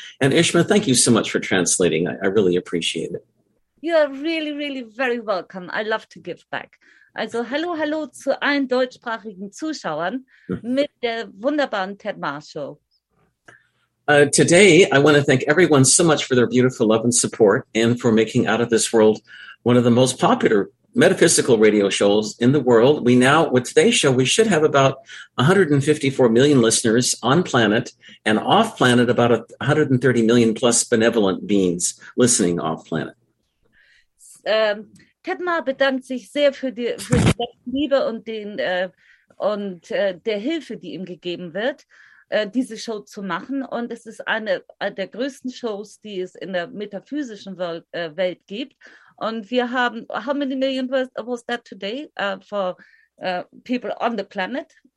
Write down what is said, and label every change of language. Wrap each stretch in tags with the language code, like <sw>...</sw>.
<en>And Ishma, thank you so much for translating. I really appreciate it. You are really, really very welcome. I love to give back.</en> <de>Also, hello, hello zu allen deutschsprachigen Zuschauern mit der wunderbaren Ted Marshall.</de> <en>Today, I want to thank everyone so much for their beautiful love and support and for making Out of This World one of the most popular metaphysical radio shows in the world. We now, with today's show, we should have about 154 million listeners on planet, and off planet about 130 million plus benevolent beings listening off planet.</en> <de>Tedma bedankt sich sehr für die Liebe und der Hilfe, die ihm gegeben wird, diese Show zu machen. Und es ist eine der größten Shows, die es in der metaphysischen Welt gibt. Und wir haben,</de> <en>how many million was that today for people on the planet?</en>